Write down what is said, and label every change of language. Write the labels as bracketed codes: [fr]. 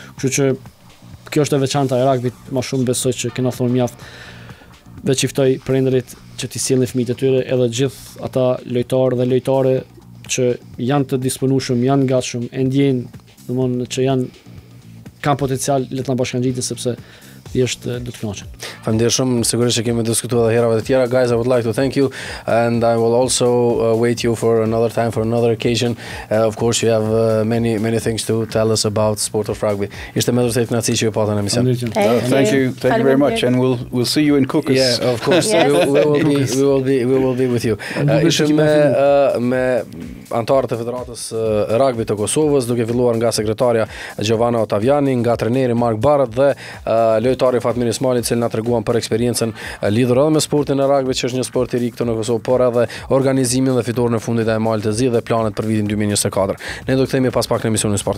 [sq] Kështu që kjo është e veçanta e rugbyt, më shumë besoj që kena thonë mjaft, dhe qiftoj prindrit që t'i sillni fëmijët e tyre edhe gjithë ata lojtarë dhe lojtare që janë të disponueshëm, janë gatshëm, e ndjejnë, do të thonë që janë, kanë potencial, le të na bashkangjiten, sepse është do të kënaqet. Faleminderit shumë, sigurisht që kemi diskutuar edhe herave të tjera. [en] Guys, I would like to thank you and I will also wait you for another time, for another occasion. Of course, you have many things to tell us about sport of rugby. [sq] Ishte më vërtet kënaqësi që ju pata në emision. [en] Thank you very much and we'll see you in Kukës. Yeah, of course. Yes. We will be with you. [sq] Ishte me antarët e federatës rugby të Kosovës, duke filluar nga sekretaria Giovanna Ottaviani, nga trajneri Mark Barret dhe lojtari Fatmir Ismajli, cilë nga të reguan për eksperiencen lidhur edhe me sportin e rugby, që është një sport i ri këtu në Kosovë, por edhe organizimin dhe fiturën e fundit e malit të zi dhe planet për vitin 2024. Ne do këthejmë pas pak në emisionin SportON.